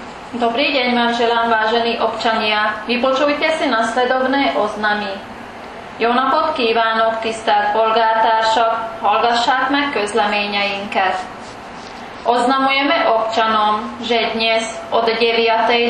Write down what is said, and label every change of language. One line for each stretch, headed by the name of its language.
Slovak: Dobrý deň vám želám, vážení občania. Vypočujte si nasledovné oznamy.
Hungarian: Jónapot kívánok, tisztelt polgártársak, hallgassák meg közleményeinket.
Slovak: Oznamujeme občanom, že dnes od 9.